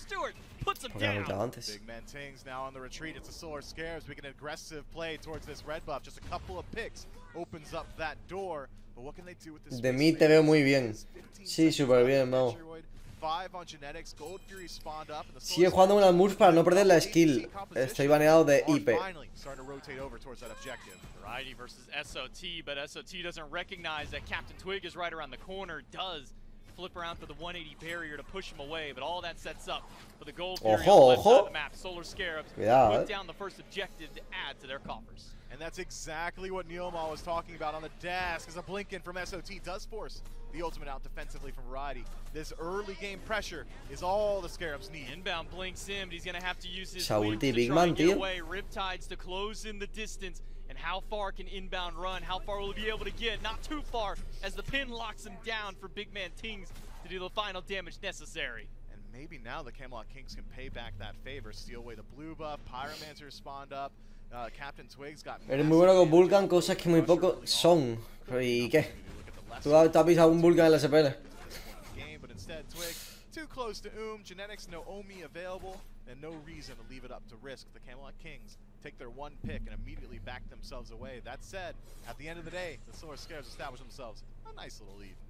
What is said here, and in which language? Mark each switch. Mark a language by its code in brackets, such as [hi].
[en] Stuart puts him down. Big Man Tings now on the retreat. It's a Solar Scarabs. We get an aggressive play towards this red buff. Just a couple of picks opens up that door. But what can they do with this? [es] De mí te veo muy bien. Sí, super bien, Mo. [en] Five on genetics, Gold Fury spawned up, and the [es] sigue jugando una Murph para no perder la skill. Estoy baneado de IP. [en] Starting to rotate over towards that objective. Variety versus SOT, but SOT doesn't recognize that Captain Twig is right around the corner. Does flip around for the 180 barrier to push him away, but all that sets up for the Gold Fury. [es] Ojo, ojo. [en] The map. Solar Scarabs put down the first objective to add to their coffers. And that's exactly what Neomal was talking about on the desk, as a Blinken from SOT does force the ultimate out defensively from Variety. This early game pressure is all the Scarabs need. Inbound blinks in, but he's going to have to use his wings to try and get away. Riptides to close in the distance. And how far can Inbound run? How far will he be able to get? Not too far, as the pin locks him down for Big Man Tings to do the final damage necessary. And maybe now the Camelot Kings can pay back that favor. Steal away the blue buff, Pyromancer spawned up. Captain Twig's got... [es] Eres muy bueno con Vulcan, cosas que muy poco son. ¿Y qué? ¿Tú has pisado un Vulcan en la SPL? [en] But instead, Twig, too close to Genetics, no Omi available, and no reason to leave it up to risk. The Camelot Kings take their one pick and immediately back themselves away. That said, at the end of the day, the Solar Scarabs establish themselves a nice little lead.